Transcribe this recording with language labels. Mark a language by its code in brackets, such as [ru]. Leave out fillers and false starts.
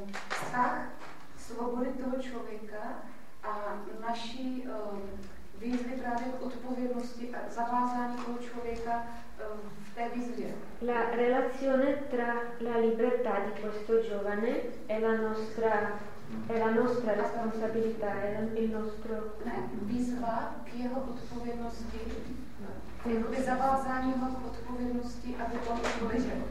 [cs] Vztah svobody toho člověka a naší výzvy právě k odpovědnosti a zavázání toho člověka v té výzvě. [it] La relazione tra la libertà di questo giovane e la nostra responsabilità e il nostro [cs] výzva k jeho odpovědnosti. Jakoby zavázání ho k odpovědnosti, aby to odpověděl.